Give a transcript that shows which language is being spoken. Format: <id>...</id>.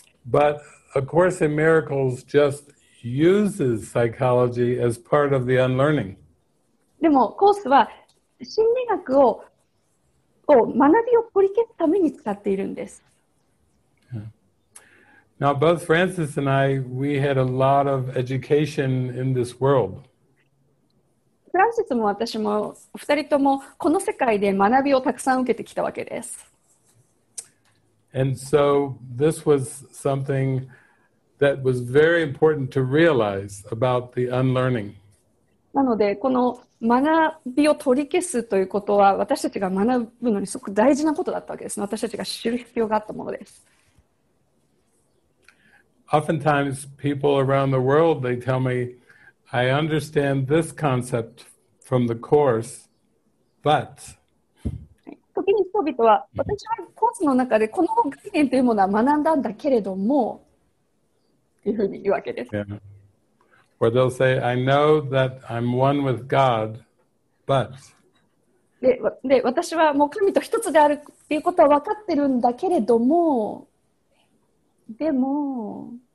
<en>But A Course in Miracles just uses psychology as part of the unlearning.</en> <ja>でもコースは心理学 を学びを取り消すために使っているんです。</ja> <en>Now, both Francis and I, we had a lot of education in this world.</en> <ja>フランシスも私も二人ともこの世界で学びをたくさん受けてきたわけです。</ja> <en>And so this was something that was very important to realize about the unlearning.</en> <ja>なのでこの学びを取り消すということは私たちが学ぶのにすごく大事なことだったわけです。私たちが知る必要があったものです。</ja> <en>Oftentimes, people around the world, they tell me, I understand this concept from the course, but...</en> <ja>時に人々は、私はコースの中でこの概念というものは学んだんだけれども、というふうに言うわけです。</ja> <en>Yeah. Or they'll say, I know that I'm one with God, but...</en> <ja>で私はもう神と一つであるということは分かってるんだけれども、でも、</ja>